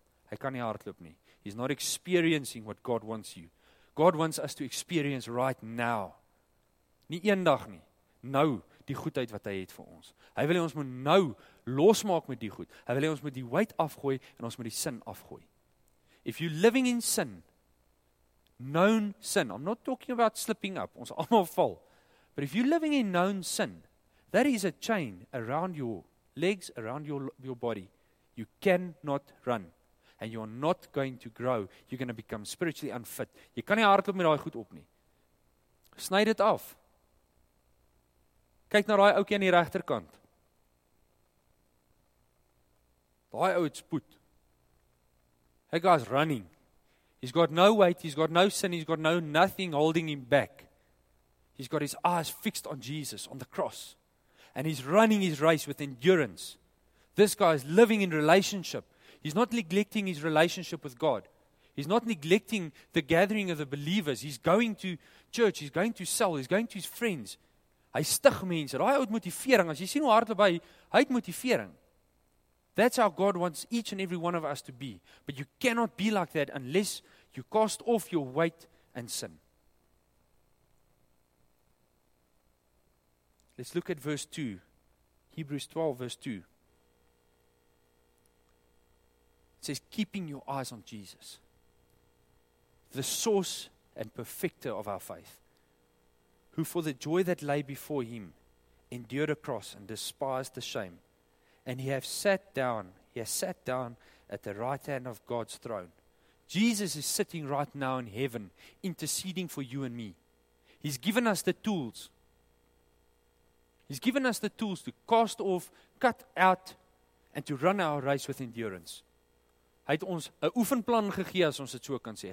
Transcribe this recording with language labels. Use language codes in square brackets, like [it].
[af] Hy kan nie hardloop nie. [en] He's not experiencing what God wants you. God wants us to experience right now. [af] Nie eendag nie. Nou, die goedheid wat hy het vir ons. Hy wil ons moet nou losmaak met die goed. Hy wil ons met die weight afgooi en ons met die sin afgooi. [en] If you're living in sin, known sin, I'm not talking about slipping up, [af] ons almal val. [en] But if you're living in known sin, that is a chain around your legs, around your body. You cannot run. And you're not going to grow. You're going to become spiritually unfit. [af] Jy kan nie hardloop met daai goed op nie. Sny dit af. Kyk na daai ouetjie aan die regterkant. Daai ou het spoed. [en] That guy's running. He's got no weight, he's got no sin, he's got no nothing holding him back. He's got his eyes fixed on Jesus, on the cross. And he's running his race with endurance. This guy is living in relationship. He's not neglecting his relationship with God. He's not neglecting the gathering of the believers. He's going to church, he's going to cell, he's going to his friends. [af] Hy stig mense. Daai ou het motivering. As jy sien hoe hardloop hy, hy het motivering. [en] That's how God wants each and every one of us to be. But you cannot be like that unless you cast off your weight and sin. Let's look at verse 2. Hebrews 12 verse 2. It says, keeping your eyes on Jesus. The source and perfecter of our faith. Who for the joy that lay before him endured a cross and despised the shame. And he has sat down at the right hand of God's throne. Jesus is sitting right now in heaven, interceding for you and me. He's given us the tools. He's given us the tools to cast off, cut out, and to run our race with endurance. [af] Hy het ons 'n oefenplan gegee, as ons dit so kan sê.